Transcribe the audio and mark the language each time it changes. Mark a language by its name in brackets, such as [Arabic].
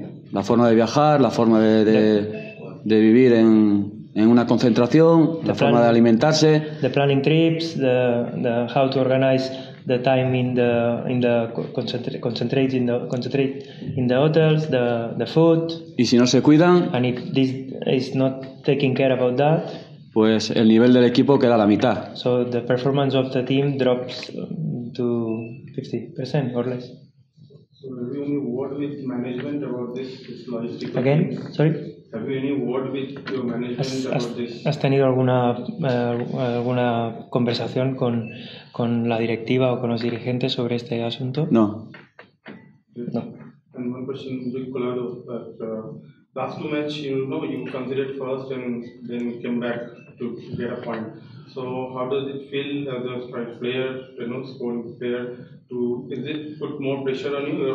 [Spanish] La forma de viajar, la forma de vivir en una concentración, [English] the [Spanish] la forma de alimentarse, [English] the planning trips, the how to organize the time in the concentrate in the hotels, the food. [Spanish] Y si no se cuidan, [English] and if this is not taking care about that, [Spanish] pues el nivel del equipo queda a la mitad. [English] So the performance of the team drops to 50% or less. So have you any word with management about this logistics? Again, sorry. Have you any word with your management about this? [Spanish] ¿Has tenido alguna conversación con la directiva o con los dirigentes sobre este asunto? No. [English] No. And one question, Rick Colado, last two match, you considered first and then came back to get a point. So how does it feel as a strike player, scoring player, is it put more pressure on you?